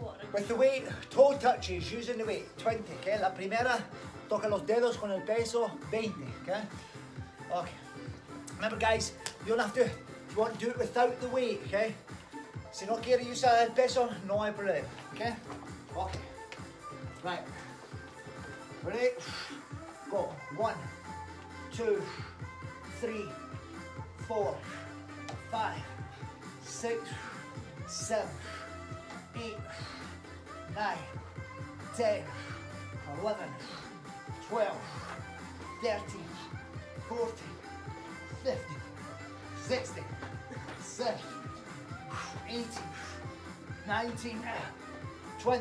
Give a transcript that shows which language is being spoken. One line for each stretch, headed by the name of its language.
English: With the weight, toe touches, using the weight, 20, okay?
Spanish: La primera, toca los dedos con el peso, 20, okay?
English: Okay. Remember guys, you don't have to, if you want to do it without the weight, okay?
Spanish: Si no quiere usar el peso, no hay problema, okay?
English: Okay. Right. Ready? Go. One, two, three, four, five, six, seven, eight, 9, 10, 11, 12, 13, 14, 15, 16, 17, 18, 19, 20.